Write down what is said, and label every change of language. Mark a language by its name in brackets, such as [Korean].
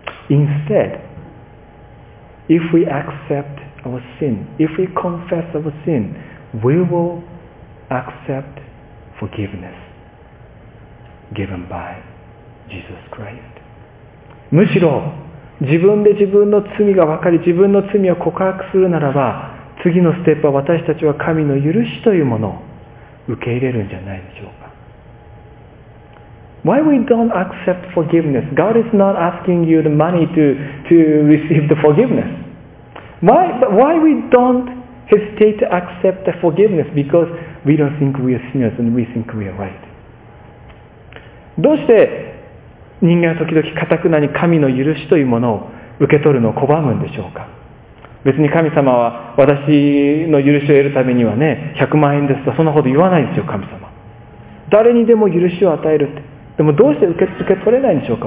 [English] Instead, if we accept our sin, if we confess our sin, we will accept forgiveness given by Jesus Christ. [Japanese] むしろ自分で自分の罪が分かり、自分の罪を告白するならば、次のステップは私たちは神の許しというものを受け入れるんじゃないでしょうか。 [English] Why we don't accept forgiveness? God is not asking you the money to receive the forgiveness. Why we don't hesitate to accept the forgiveness? Because we don't think we are sinners and we think we are right. [Japanese] どうして人間は時々かたくなに神の許しというものを受け取るのを拒むんでしょうか。別に神様は私の許しを得るためにはね、100万円ですとそんなこと言わないんですよ。神様、誰にでも許しを与えるって。でもどうして受け取れないんでしょうか。